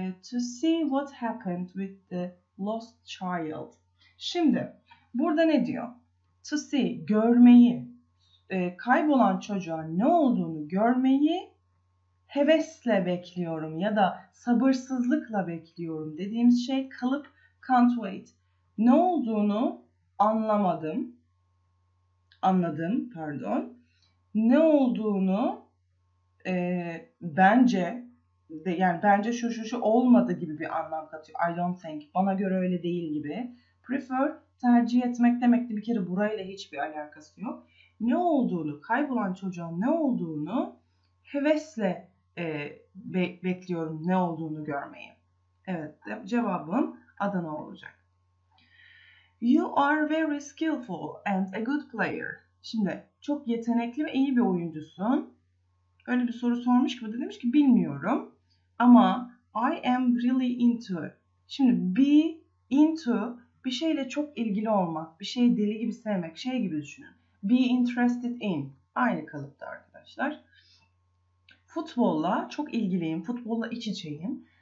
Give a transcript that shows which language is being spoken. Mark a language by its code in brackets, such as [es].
[en] To see what happened with the lost child. [tr] Şimdi, burada ne diyor? [en] To see, [tr] görmeyi, kaybolan çocuğa ne olduğunu görmeyi hevesle bekliyorum ya da sabırsızlıkla bekliyorum dediğimiz şey kalıp [en] can't wait. [tr] Ne olduğunu anlamadım. Anladım, pardon. Ne olduğunu bence, de, yani bence şu şu şu olmadı gibi bir anlam katıyor. [en] I don't think, [tr] bana göre öyle değil gibi. Prefer, tercih etmek demekti. Bir kere burayla hiçbir alakası yok. Ne olduğunu, kaybolan çocuğun ne olduğunu hevesle bekliyorum ne olduğunu görmeyi. Evet, cevabım Adana olacak. [en] You are very skillful and a good player. [tr] Şimdi çok yetenekli ve iyi bir oyuncusun. Öyle bir soru sormuş gibi de demiş ki bilmiyorum. Ama [en] I am really into. [tr] Şimdi [en] be into [tr] bir şeyle çok ilgili olmak, bir şeyi deli gibi sevmek, şey gibi düşünün. [en] Be interested in. [tr] Aynı kalıpta arkadaşlar. Futbolla çok ilgiliyim, futbolla iç içeyim.